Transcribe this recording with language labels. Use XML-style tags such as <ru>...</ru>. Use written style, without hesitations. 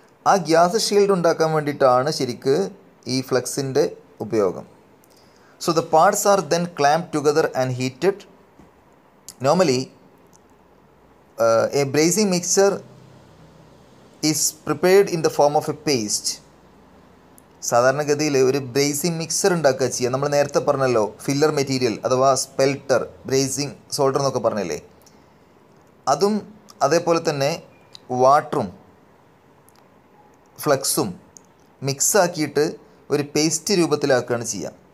<ml>ആ gas shield ഉണ്ടാക്കാൻ വേണ്ടിയിട്ടാണ് ശരിക്ക് ഈ ഫ്ലക്സിൻ്റെ ഉപയോഗം.</ml> <en>So the parts are then clamp together and heated. Normally a brazing mixer is prepared in the form of a paste.</en> <ml>സാധാരണഗതിയിൽ ഒരു ബ്രേസിംഗ് മിക്സർ ഉണ്ടാക്കുക ചെയ്യുക. നമ്മൾ നേരത്തെ പറഞ്ഞല്ലോ ഫില്ലർ മെറ്റീരിയൽ അഥവാ സ്പെൽട്ടർ, ബ്രേസിംഗ് സോൾഡർ എന്നൊക്കെ പറഞ്ഞില്ലേ, അതും അതേപോലെ തന്നെ വാട്ടറും ഫ്ലക്സും മിക്സാക്കിയിട്ട് ഒരു പേസ്റ്റ് രൂപത്തിലാക്കുകയാണ് ചെയ്യുക.</ml>